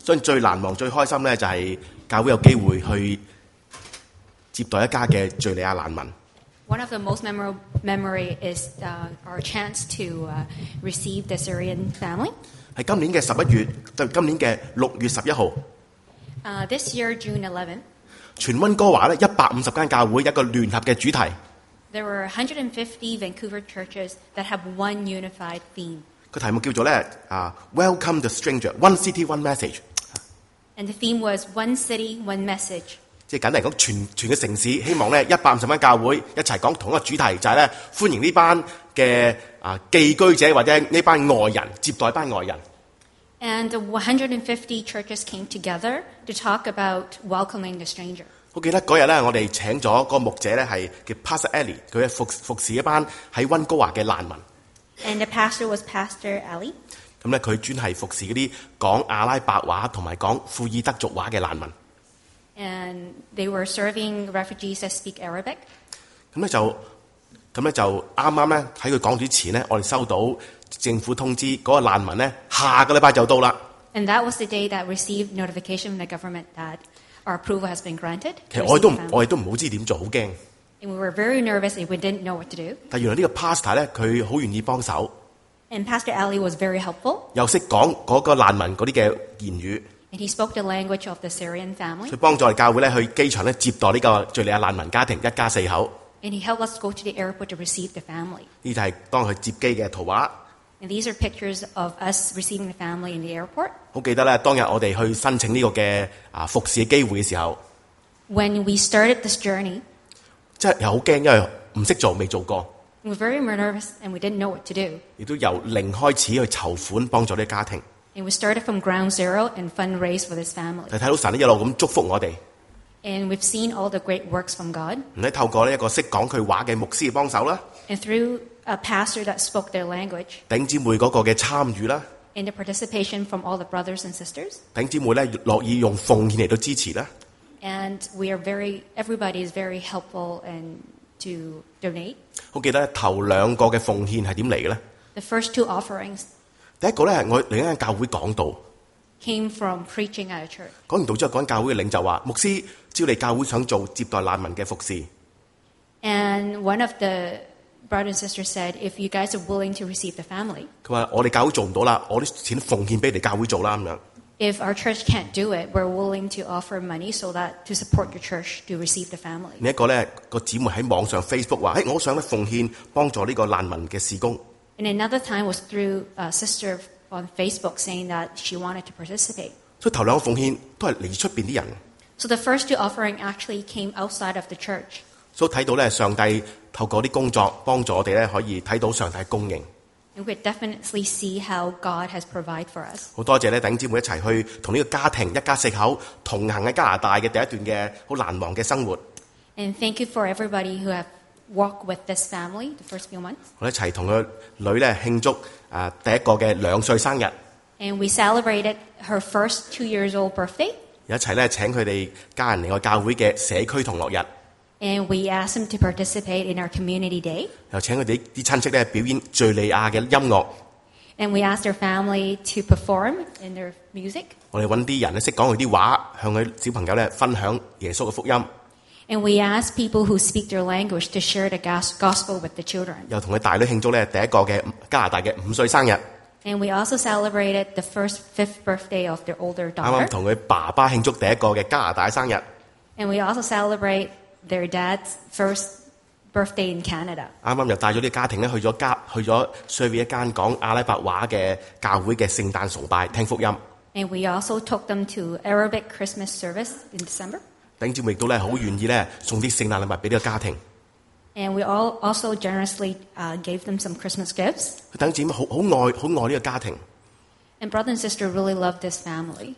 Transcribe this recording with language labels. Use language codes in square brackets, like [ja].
[yue] 所以最难忘、最开心咧，就系教会有机会去接待一家嘅叙利亚难民。 [en] One of the most memorable memory is our chance to receive the Syrian family. [yue] 系今年嘅十一月，就今年嘅六月十一号。 [en] This year June 11th. [yue] 全温哥华咧150间教会一个联合嘅主题。 [en] There were 150 Vancouver churches that have one unified theme. [yue] 个题目叫做咧 [en] Welcome the Stranger, One City, One Message. And the theme was One City, One Message. [yue] 即系简单嚟讲，全个城市希望咧150间教会一齐讲同一个主题，就系咧欢迎呢班嘅寄居者或者呢班外人接待班外人。 [en] And 150 churches came together to talk about welcoming the stranger. [yue] 我记得嗰日咧，我哋请咗个牧者咧，系叫 Pastor Ellie， 佢系服侍一班喺温哥华嘅难民。 [en] And the pastor was Pastor Ellie. [yue] 咁咧，佢专系服侍嗰啲讲阿拉伯话同埋讲库尔德族话嘅难民。 [en] And they were serving refugees that speak Arabic. [yue] 咁咧就啱啱咧喺佢讲之前咧，我哋收到政府通知嗰个难民咧，下个礼拜就到啦。 [en] And that was the day that received notification from the government that our approval has been granted. [yue] 其实我哋都唔好知点做，好惊。 [en] And we were very nervous and we didn't know what to do. [yue] 但原来呢个 pastor 咧，佢好愿意帮手。 [en] And Pastor Ali was very helpful. [yue] 又识讲嗰个难民嗰啲嘅言语。 [en] And he spoke the language of the Syrian family. [yue] 佢帮助我哋教会咧去机场咧接待呢个叙利亚难民家庭一家四口。 [en] And he helped us go to the airport to receive the family. [yue] 呢就系当佢接机嘅图画。 [en] And these are pictures of us receiving the family in the airport. [yue] 好记得咧，当日我哋去申请呢个嘅服侍嘅机会嘅时候 [en] ，When we started this journey， [yue] 即系又好惊，因为唔识做，未做过。 [en] We're very nervous and we didn't know what to do. [yue] 亦都由零开始去筹款帮助呢个家庭。 [en] And we started from ground zero and fundraise for this family. [yue] 就睇到神咧一路咁祝福我哋。 [en] And we've seen all the great works from God. [yue] 你透过咧一个识讲佢话嘅牧师帮手啦。 [en] And through a pastor that spoke their language. [yue] 弟兄姊妹嗰个嘅参与啦。 [en] And the participation from all the brothers and sisters. [yue] 弟兄姊妹咧乐意用奉献嚟到支持啦。 [en] And we are very, everybody is very helpful and to donate. [yue] 我记得头两个嘅奉献系点嚟嘅咧 [en] ？The first two offerings. [yue] 第一个咧系我另一间教会讲道。 [en] Came from preaching at a church. [yue] 讲完道之后，嗰间教会嘅领袖话：牧师，照你教会想做接待难民嘅服事。 [en] And one of the brother and sister said, if you guys are willing to receive the family. [yue] 佢话我哋教会做唔到啦，我啲钱奉献俾你教会做啦咁样。 [en] If our church can't do it, we're willing to offer money so that to support your church to receive the family. [yue] 另一个咧，个姊妹喺网上 Facebook 话：，我想咧奉献帮助呢个难民嘅事工。 [en] And another time was through a sister on Facebook saying that she wanted to participate. [yue] 所以头两个奉献都系嚟出边啲人。 [en] So the first two offering actually came outside of the church. [yue] 所以睇到咧，上帝透过啲工作帮助我哋咧，可以睇到上帝供应。 [en] And we definitely see how God has provided for us. [yue] 好多谢咧，弟兄姊妹一齐去同呢个家庭一家四口同行喺加拿大嘅第一段嘅好难忘嘅生活。 [en] And thank you for everybody who have walked with this family the first few months. [yue] 我一齐同个女咧庆祝第一个嘅两岁生日。 [en] And we celebrated her first 2 years old birthday. [yue] 一起咧请佢哋家人嚟个教会嘅社区同乐日 [en] ，and we ask them to participate in our community day。 [yue] 又请佢哋啲亲戚咧表演叙利亚嘅音乐 [en] ，and we ask their family to perform in their music。 [yue] 我哋揾啲人咧识讲佢啲话，向佢小朋友咧分享耶稣嘅福音 [en] ，and we ask people who speak their language to share the gospel with the children。 [yue] 又同佢大女庆祝咧第一个嘅加拿大嘅五岁生日。 [en] And we also celebrated the first fifth birthday of their older daughter. [yue] 啱啱同佢爸爸庆祝第一个嘅加拿大生日。 [en] And we also celebrate their dad's first birthday in Canada. [yue] 啱啱又带咗啲家庭咧去咗 serve 一间讲阿拉伯话嘅教会嘅圣诞崇拜，听福音。 [en] And we also took them to Arabic Christmas service in December. [yue] 顶住亦都咧好愿意咧送啲圣诞礼物俾呢个家庭。 [en] And we all also generously gave them some Christmas gifts. [yue] 弟兄姊妹好爱呢个家庭。 [en] And brother and sister really love this family.